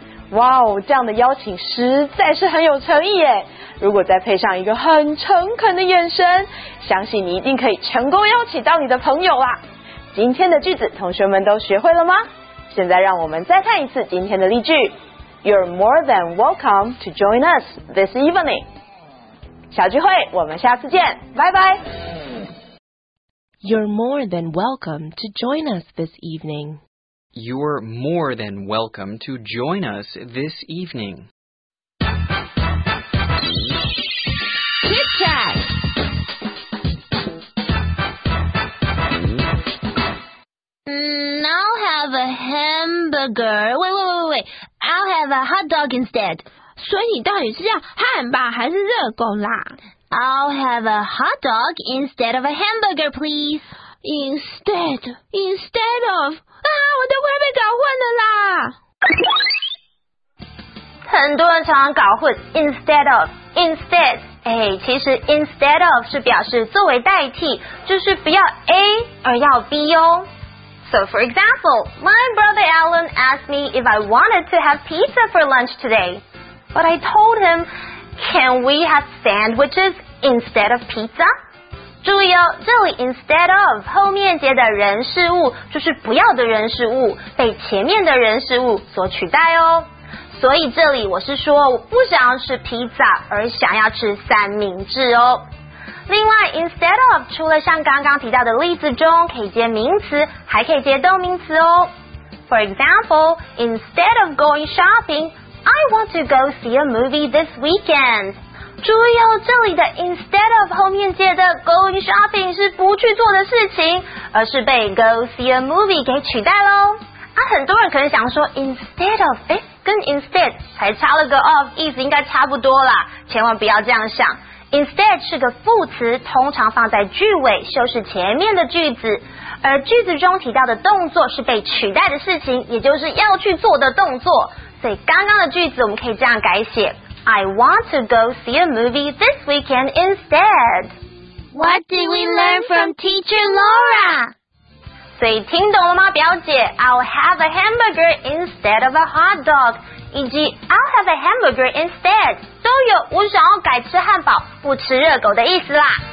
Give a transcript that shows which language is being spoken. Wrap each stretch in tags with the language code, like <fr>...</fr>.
<zh>哇哦，这样的邀请实在是很有诚意耶。如果再配上一个很诚恳的眼神，相信你一定可以成功邀请到你的朋友啦。今天的句子同学们都学会了吗？现在让我们再看一次今天的例句。</zh> <en>You're more than welcome to join us this evening.</en> <zh>小聚会，我们下次见，拜拜。</zh> <en>You're more than welcome to join us this evening. You're more than welcome to join us this evening. Chit chat. I'll have a hamburger. Wait. I'll have a hot dog instead.</en> <zh>所以你到底是要汉堡还是热狗啦？</zh> <en>I'll have a hot dog instead of a hamburger, please.</en> <zh>Instead of? 啊，我都快被搞混了啦！很多人常常搞混 instead of. 哎，其实 instead of 是表示作为代替，就是不要 A 而要 B 哦。</zh> <en>So for example, my brother Alan asked me if I wanted to have pizza for lunch today. But I told him, can we have sandwiches instead of pizza?</en> <zh>注意哦，这里 instead of 后面接的人事物就是不要的人事物，被前面的人事物所取代哦。所以这里我是说我不想要吃 pizza 而想要吃三明治哦。另外 instead of 除了像刚刚提到的例子中可以接名词，还可以接动名词哦。</zh> <en>For example, instead of going shopping, I want to go see a movie this weekend.</en> <zh>注意哦，这里的 instead of 后面接的 going shopping 是不去做的事情，而是被 go see a movie 给取代咯。啊，很多人可能想说 instead of 跟 instead 才差了个 of， 意思应该差不多啦，千万不要这样想。 Instead 是个副词，通常放在句尾修饰前面的句子，而句子中提到的动作是被取代的事情，也就是要去做的动作。所以刚刚的句子我们可以这样改写，</zh> <en>I want to go see a movie this weekend instead. What did we learn from teacher Laura?</en> <zh>所以听懂了吗表姐？</zh> <en>I'll have a hamburger instead of a hot dog.</en> <zh>以及</zh> <en>I'll have a hamburger instead</en> <zh>都有我想要改吃汉堡不吃热狗的意思啦。</zh>